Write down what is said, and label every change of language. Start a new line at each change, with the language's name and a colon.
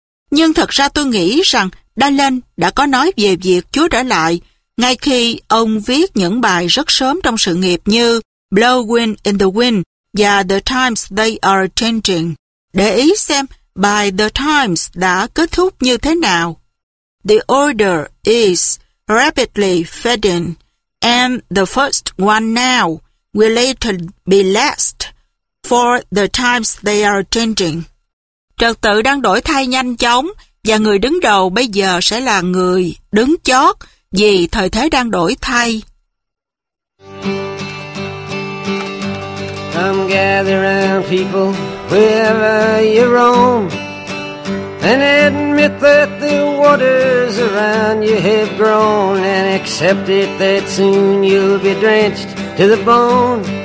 Vietnamese: Nhưng thật ra tôi nghĩ rằng Dylan đã có nói về việc Chúa trở lại ngay khi ông viết những bài rất sớm trong sự nghiệp như Blowing in the Wind và The Times They Are Changing. Để ý xem bài The Times đã kết thúc như thế nào.
English: The order is rapidly fading and the first one now will later be last for the times they are changing.
Vietnamese: Trật tự đang đổi thay nhanh chóng và người đứng đầu bây giờ sẽ là người đứng chót vì thời thế đang đổi thay.
English: Come gather round people wherever you roam and admit that the waters around you have grown and accept it that soon you'll be drenched to the bone.